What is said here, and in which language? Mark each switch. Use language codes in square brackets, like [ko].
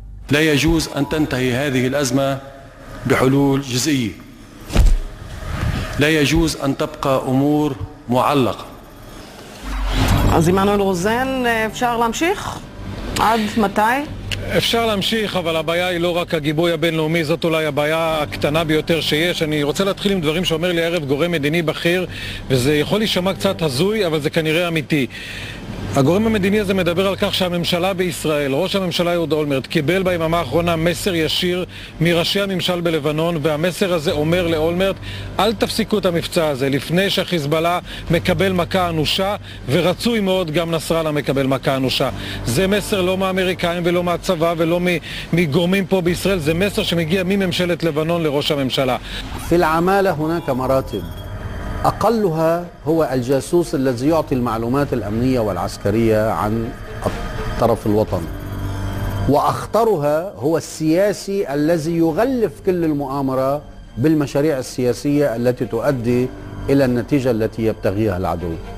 [ar] لا يجوز أن تنتهي هذه الأزمة بحلول جزئية، لا يجوز أن تبقى أمور معلقة. [he] زي مانويل روزان، אפשר להמשיך? עד מתי? אפשר להמשיך, אבל הבעיה היא לא רק הגיבוי הבינלאומי, זאת אולי הבעיה הקטנה ביותר שיש. אני רוצה להתחיל עם דברים שאומר לי ערב גורם מדיני בכיר, וזה יכול להישמע קצת הזוי, אבל זה כנראה אמיתי. הגורם המדיני הזה מדבר על כך שהממשלה בישראל, ראש הממשלה אהוד אולמרט, קיבל ביממה האחרונה מסר ישיר מראשי הממשל בלבנון, והמסר הזה אומר לאולמרט, אל תפסיקו את המבצע הזה לפני שהחיזבאללה מקבל מכה אנושה, ורצוי מאוד גם נסראללה מקבל מכה אנושה. זה מסר לא מהאמריקאים ולא מהצבא ולא מגורמים פה בישראל, זה מסר שמגיע מממשלת לבנון לראש הממשלה. [ar] في العمالة هناك مراتب أقلها هو الجاسوس الذي يعطي المعلومات الأمنية والعسكرية عن الطرف الوطني وأخطرها هو السياسي الذي يغلف كل المؤامرة بالمشاريع السياسية التي تؤدي إلى النتيجة التي يبتغيها العدو